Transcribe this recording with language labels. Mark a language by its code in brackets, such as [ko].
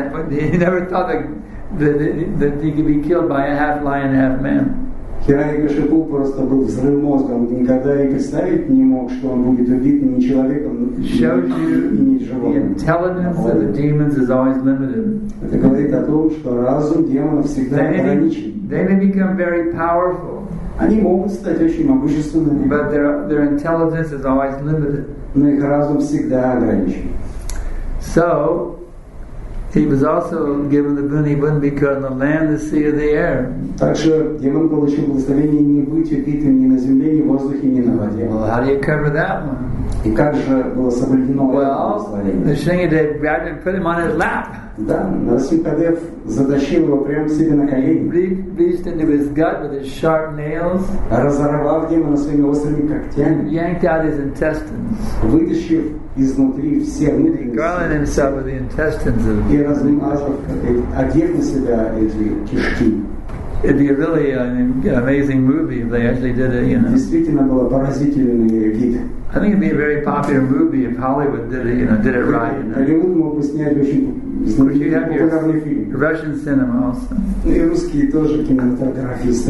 [en] He never thought that he could be killed by a half lion, half man. [ru] Hiranyakashipu просто был взрыв мозга. Он никогда и представить не мог, что он будет убит ни человеком, ни животным. [en] The intelligence of the demons is always limited. [ru] Это говорит о том, что разум демонов всегда ограничен. [en] They may become very powerful. [ru] Они могут стать очень могущественными. [en] But their intelligence is always limited. [ru] Но их разум всегда ограничен. [en] So, he was also given the boon he wouldn't be killed on the land, the sea, or the air. [ru] Также демон получил благословение не быть убитым ни на земле, ни в воздухе, ни на воде. [en] Well, how do you cover that one? [ru] И как же было соблюдено это благословение? [en] Nrisimhadeva grabbed and put him on his lap. [ru] Да, Нрисимхадев затащил его прямо себе на колени. [en] Reached into his gut with his sharp nails. [ru] Разорвав демона своими острыми когтями. [en] Yanked out his intestines. [ru] Вытащив изнутри все внутренности. [en] Garland himself with the intestines of. [ru] И размазав, одев на себя эти кишки. [en] It'd be really an amazing movie if they actually did it, you know. [ru] Действительно было поразительный вид. [en] I think it'd be a very popular movie if Hollywood did it right. [ru] Hollywood мог бы снять очень популярный фильм. [en] Russian cinema also. [ru] И русские тоже кинематографисты.